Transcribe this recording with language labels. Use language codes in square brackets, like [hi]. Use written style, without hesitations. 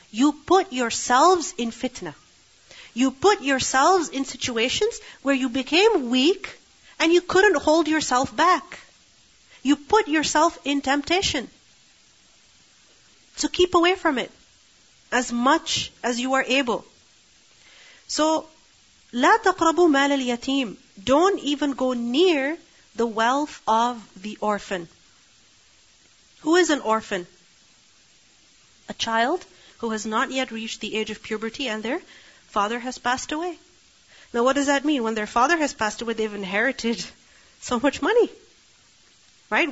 [en] You put yourselves in fitna. You put yourselves in situations where you became weak and you couldn't hold yourself back. You put yourself in temptation. So keep away from it as much as you are able. [ar] So, لَا تَقْرَبُوا مَالَ الْيَتِيمِ. [en] Don't even go near the wealth of the orphan. Who is an orphan? A child who has not yet reached the age of puberty and their father has passed away. Now what does that mean? When their father has passed away, they've inherited so much money. Right?